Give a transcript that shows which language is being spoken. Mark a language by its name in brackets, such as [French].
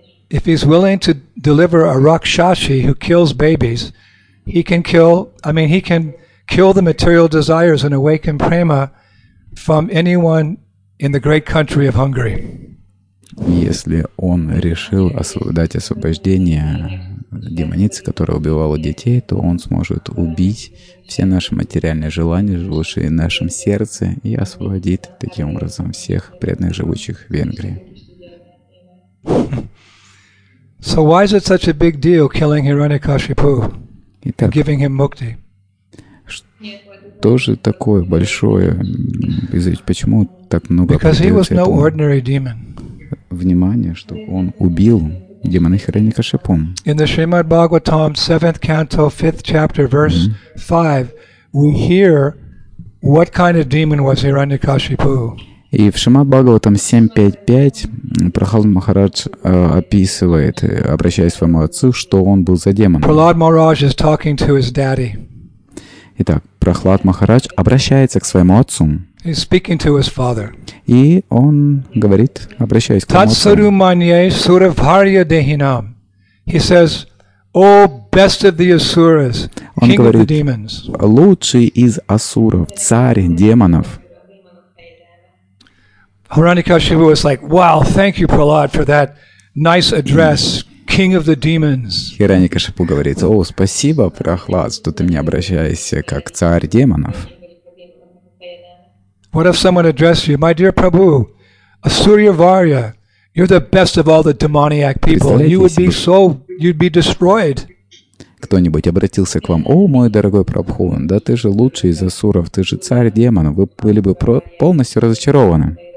[English] If he's willing to deliver a Rakshasi who kills babies, he can kill the material desires and awaken prema from anyone in the great country of Hungary. [Russian] Если он решил дать освобождение демонице, которая убивала детей, то он сможет убить все наши материальные желания, живущие в нашем сердце, и освободит таким образом всех преданных живущих в Венгрии. [English] So why is it such a big deal killing Hiranyakashipu and giving him mukti? [Russian] Что же такое большое? Почему так много? [English] Because he was no ordinary demon. [Russian] Внимание, что он убил демона Хиранякашипу. [English] In the Srimad Bhagavatam, 7th canto, 5th chapter, verse 5, we hear what kind of demon was Hiranyakashipu. [Russian] И в Шримад Бхагаватам 7.5.5 Прохлад Махарадж описывает, обращаясь к своему отцу, что он был за демон. [English] Прохлад Махарадж is talking to his daddy. [Russian] Итак, Прохлад Махарадж обращается к своему отцу. [English] He's speaking to his father. [Russian] И он говорит, обращаясь к своему отцу. [Sanskrit] Татсару манье суравхарья дехинам. [English] He says, O best of the asuras, king of the demons. [Russian] Он говорит, лучший из асуров, царь демонов. [English] Hiranyakashipu was like, "Wow, thank you, Prahlad, for that nice address, King of the Demons." [Russian] Hiranyakashipu говорит, "О, спасибо, Прохлад, что ты мне обращаешься как царь демонов." [English] What if someone addressed you, my dear Prabhu, Asurya Varya, you're the best of all the demoniac people. You would be so, you'd be destroyed. [Russian] Кто-нибудь обратился к вам, о, мой дорогой Прабху, да ты же лучший из асуров, ты же царь демонов, вы были бы полностью разочарованы.